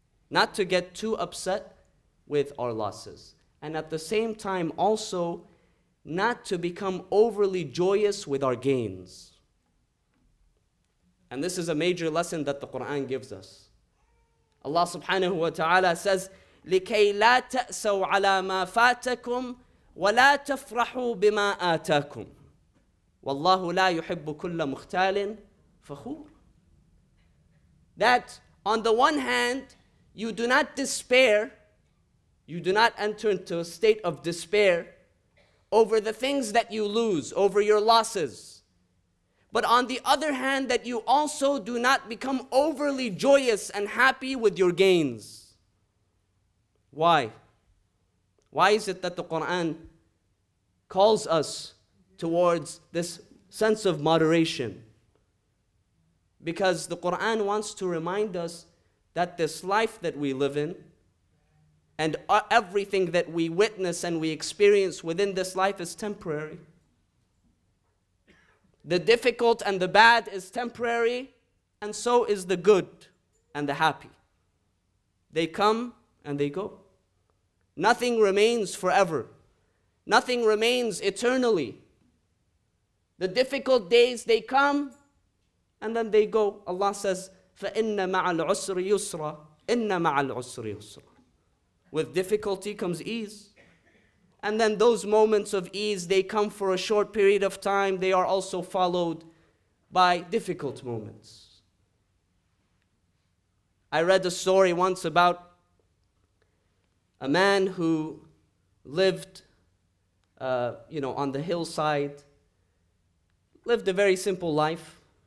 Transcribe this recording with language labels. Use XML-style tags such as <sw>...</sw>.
<en>Not to get too upset with our losses. And at the same time also, not to become overly joyous with our gains. And this is a major lesson that the Quran gives us. Allah subhanahu wa ta'ala says,</en> <ar>لِكَيْ لَا تَأْسَوْ عَلَى مَا فَاتَكُمْ وَلَا تَفْرَحُوا بِمَا آتَاكُمْ وَاللَّهُ لَا يُحِبُّ كُلَّ مُخْتَالٍ فَخُورٍ.</ar> <en>That on the one hand, you do not despair, you do not enter into a state of despair over the things that you lose, over your losses. But on the other hand, that you also do not become overly joyous and happy with your gains. Why? Why is it that the Quran calls us towards this sense of moderation? Because the Quran wants to remind us that this life that we live in and everything that we witness and we experience within this life is temporary. The difficult and the bad is temporary, and so is the good and the happy. They come and they go. Nothing remains forever. Nothing remains eternally. The difficult days, they come and then they go. Allah says,</en> <ar>فَإِنَّ مَعَ الْعُسْرِ يُسْرًا إِنَّ مَعَ الْعُسْرِ يُسْرًا.</ar> <en>With difficulty comes ease. And then those moments of ease, they come for a short period of time. They are also followed by difficult moments. I read a story once about a man who lived, on the hillside, lived a very simple life.</en>